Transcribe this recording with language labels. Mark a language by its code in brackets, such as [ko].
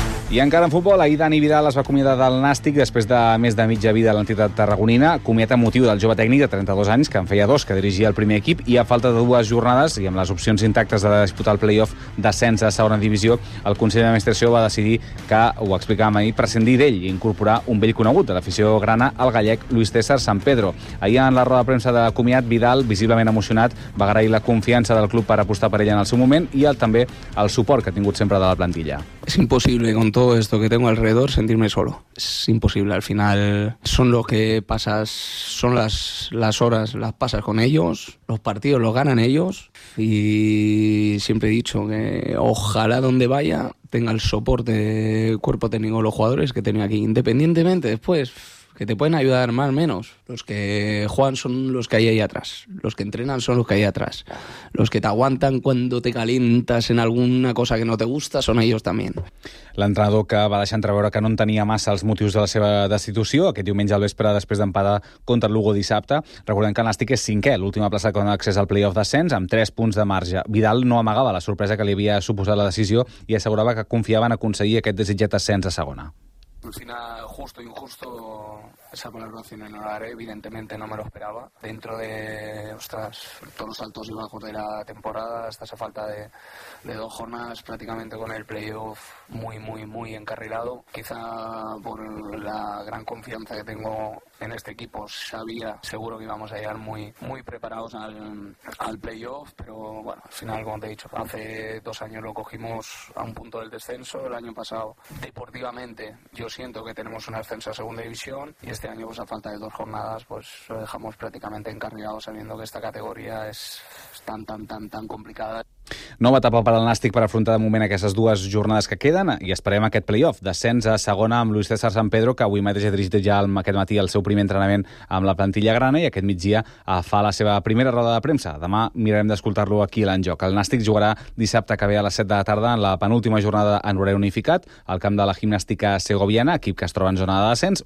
[ca] I encara en futbol, ahir Dani Vidal es va acomiadar del Nàstic després de més de mitja vida a l'entitat tarragonina, comiat emotiu del jove tècnic de 32 anys, que en feia 2, que dirigia el primer equip, i a falta de 2 jornades, i amb les opcions intactes de disputar el play-off d'ascens a segona divisió, el Consell d'Administració va decidir que, ho explicàvem ahir, prescindir d'ell i incorporar un vell conegut de l'afició grana, el gallec Luis César San Pedro. Ahir en la roda de premsa de comiat, Vidal, visiblement emocionat, va agrair la confiança del club per apostar per ell en el seu moment i també el suport que ha tingut sempre de la plantilla. [es] Es imposible con todo esto que tengo alrededor sentirme solo. Es imposible, al final son lo que pasas, son las horas, las pasas con ellos, los partidos los ganan ellos y siempre he dicho que ojalá donde vaya tenga el soporte cuerpo técnico de los jugadores que tenía aquí, independientemente después que te pueden ayudar más o menos. Los que juegan son los que hay ahí atrás. Los que entrenan son los que hay atrás. Los que te aguantan cuando te calientas en alguna cosa que no te gusta son ellos también. [ca] L'entrenador que va deixar entreveure que no en tenia massa els motius de la seva destitució aquest diumenge al vespre després d'empatar contra el Lugo dissabte. Recordem que l'Nàstic és cinquè, l'última plaça que dona accés al play-off d'ascens, amb 3 punts de marge. Vidal no amagava la sorpresa que li havia suposat la decisió i assegurava que confiava en aconseguir aquest desitjat ascens a segona. [es] Al final, justo e injusto, saco la grabación en horario, evidentemente no me lo esperaba. Dentro de, ostras, todos los altos y bajos de la temporada, hasta esa falta de dos jornadas, prácticamente con el playoff muy, muy, muy encarrilado. Quizá por la gran confianza que tengo en este equipo, sabía seguro que íbamos a llegar muy, muy preparados al playoff, pero bueno, al final, como te he dicho, hace dos años lo cogimos a un punto del descenso. El año pasado, deportivamente, yo siento que tenemos un ascenso a segunda división, y este año, pues a falta de dos jornadas, pues lo dejamos prácticamente encarrilado, sabiendo que esta categoría es tan, tan, tan, tan complicada. [ca] Nova etapa per al Nàstic per afrontar de moment aquestes dues jornades que queden, i esperem aquest playoff. Descens a segona amb Luis César San Pedro, que avui mateix ha dirigit ja aquest matí el seu primer entrenament amb la plantilla grana, i aquest migdia fa la seva primera roda de premsa. Demà mirarem d'escoltar-lo aquí a l'Enjoc. El Nàstic jugarà dissabte que ve a les 7 de la tarda en la penúltima jornada en horari unificat al camp de la Gimnàstica Segoviana, equip que es troba en zona de descens.